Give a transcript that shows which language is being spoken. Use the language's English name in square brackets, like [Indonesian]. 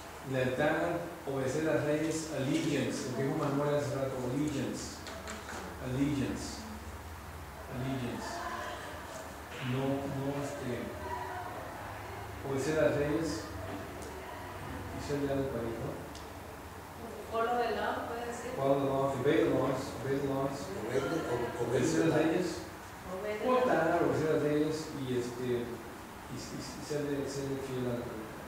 [Spanish] Lealtad, obedecer las leyes, allegiance. Lo que dijo Manuel hace rato, allegiance. Allegiance. Allegiance. No, no, obedecer las leyes y ser leal al país, ¿no? [English] Follow the law, [Spanish] puede decir. [English] Follow the law, obey the laws, obey the laws. [Spanish] Obedecer las leyes. Votar, obedecer las leyes y ser fiel al país.